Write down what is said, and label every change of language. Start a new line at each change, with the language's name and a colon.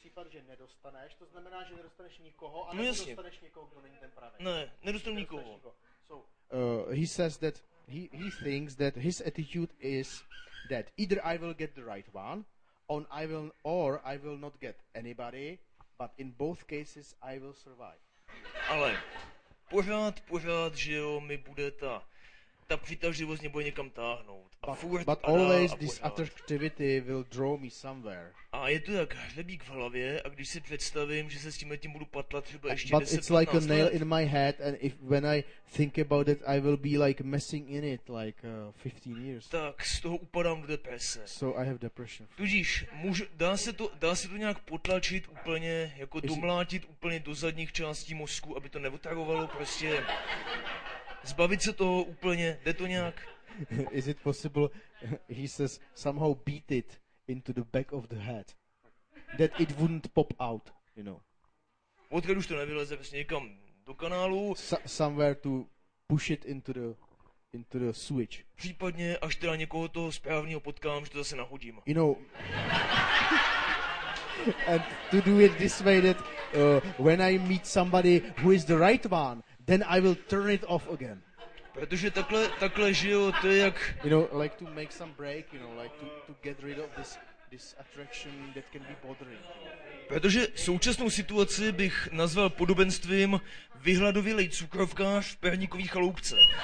Czech: Že nedostaneš, to znamená, že nedostaneš nikoho, ale nedostaneš někoho, kdo není ten pravý. Ne, nedostanu nikoho.
English: He says that he thinks that his attitude is that either I will get the right one, or I will not get anybody, but in both cases I will survive.
Czech: Ale pořád, že jo, mi bude ta přitažlivost mě bude někam táhnout.
English: But always this attractivity will draw me somewhere.
Czech: A je to jak hřebík v hlavě, a když si představím, že se s tím letím budu patlat třeba ještě 10-15 let.
English: But it's like a nail in my head, and if when I think about it, I will be like messing in it like 15 years.
Czech: Tak z toho upadám do deprese.
English: So I have depression.
Czech: Tudíž, dá se to nějak potlačit úplně, jako domlátit úplně do zadních částí mozku, aby to neotravovalo prostě. Zbavit se toho úplně, jde to nějak?
English: Is it possible, he says, somehow beat it into the back of the head, that it wouldn't pop out, you know.
Czech: Odkud už to nevyleze, prostě někam do kanálu.
English: Somewhere to push it into the switch.
Czech: Případně, až teda někoho toho správného potkám, že to zase nahodím.
English: You know, and to do it this way, that when I meet somebody who is the right one, then I will turn it off again.
Czech: Protože takhle žiju, to je jak,
English: you know, like to make some break, you know, like to get rid of this attraction that can be bothering.
Czech: Protože současnou situaci bych nazval podobenstvím vyhladovělej cukrovkář v perníkový chaloupce.